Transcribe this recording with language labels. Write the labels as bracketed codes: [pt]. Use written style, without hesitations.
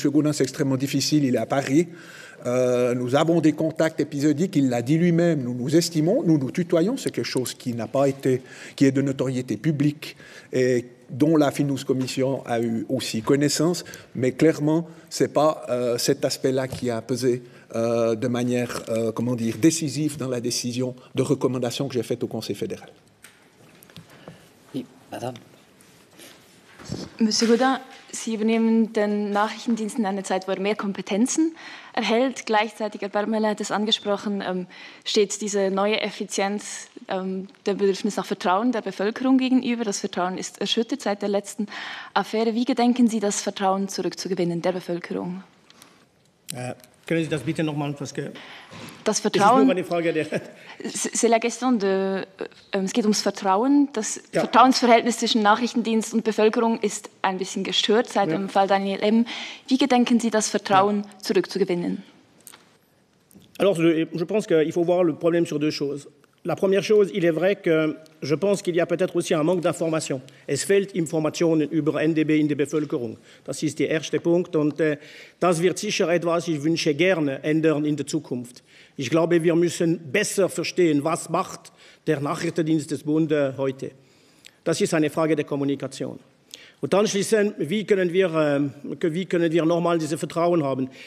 [fr] Gourdin, c'est extrêmement difficile, il est à Paris. Nous avons des contacts épisodiques, il l'a dit lui-même, nous nous estimons, nous nous tutoyons, c'est quelque chose qui n'a pas été, qui est de notoriété publique et dont la Finnous Commission a eu aussi connaissance, mais clairement, ce n'est pas cet aspect-là qui a pesé de manière, comment dire, décisive dans la décision de recommandation que j'ai faite au Conseil fédéral. Oui, madame. [de] Monsieur Gourdin, Sie übernehmen den Nachrichtendienst in einer Zeit, wo er mehr Kompetenzen erhält. Gleichzeitig, Herr Parmelin hat es angesprochen, steht diese neue Effizienz der Bedürfnis nach Vertrauen der Bevölkerung gegenüber. Das Vertrauen ist erschüttert seit der letzten Affäre. Wie gedenken Sie, das Vertrauen zurückzugewinnen der Bevölkerung? Können Sie das bitte nochmal? Das Vertrauen. Das ist nur meine Frage. [fr] C'est la question de. [de] Es geht ums Vertrauen. Das ja. Vertrauensverhältnis zwischen Nachrichtendienst und Bevölkerung ist ein bisschen gestört seit dem Fall Daniel M. Wie gedenken Sie, das Vertrauen zurückzugewinnen? [fr] Alors, je pense qu'il faut voir le problème sur deux choses. La première chose, il est vrai que je pense qu'il y a peut-être aussi un manque d'information. [de] Es fehlt Informationen über NDB in der Bevölkerung. Das ist der erste Punkt. Und das wird sicher etwas, ich wünsche gerne, ändern in der Zukunft. Ich glaube, wir müssen besser verstehen, was macht der Nachrichtendienst des Bundes heute. Das ist eine Frage der Kommunikation. Und anschließend, wie können wir nochmal dieses Vertrauen haben?